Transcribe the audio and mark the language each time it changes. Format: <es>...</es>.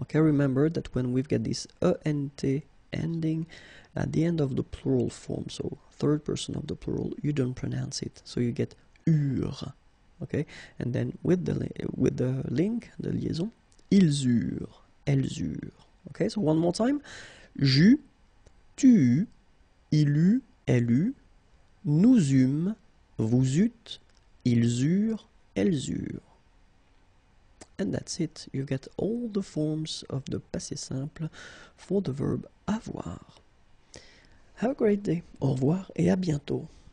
<en>Okay, remember that when we've got this ENT ending at the end of the plural form, so third person of the plural, you don't pronounce it, so you get ur, okay, and then with the link, the liaison,</en> <fr>ils eurent, elles eurent.</fr> <en>Okay, so one more time,</en> <fr>j'eus, tu eus, il eut, elle eut, nous eûmes, vous eûtes, ils eurent, elles eurent.</fr> <en>And that's it, you get all the forms of the passé simple for the verb avoir. Have a great day.</en> <fr>Au revoir et à bientôt.</fr>